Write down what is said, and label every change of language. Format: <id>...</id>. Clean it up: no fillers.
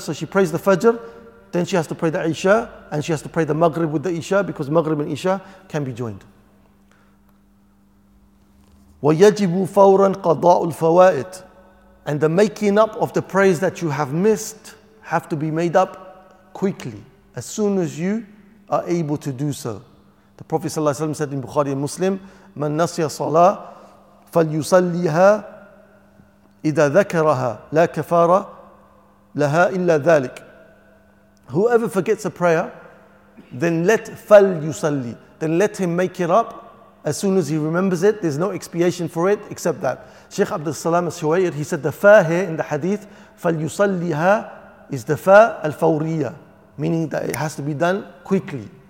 <en>So she prays the Fajr, then she has to pray the Isha, and she has to pray the Maghrib with the Isha because Maghrib and Isha can be joined.</en> <ar>وَيَجِبُ فَوْرًا قَضَاءُ الْفَوَائِدِ.</ar> <en>And the making up of the prayers that you have missed have to be made up quickly, as soon as you are able to do so. The Prophet ﷺ said in Bukhari and Muslim,</en> <ar>مَنْ نَسِيَ صَلَاةً فَلْيُصَلِّيهَا إِذَا ذَكَرَهَا لَا كَفَارَ لَهَا إِلَّا ذَلِكَ.</ar> <en>Whoever forgets a prayer, then let</en> <ar>فَلْيُصَلِّي,</ar> <en>then let him make it up as soon as he remembers it. There's no expiation for it except that. Shaykh Abdul Salam al-Shuwayr, he said the fa here in the hadith,</en> <ar>فَلْيُصَلِّيهَا,</ar> <en>is the fa al-fawriya, meaning that it has to be done quickly.</en>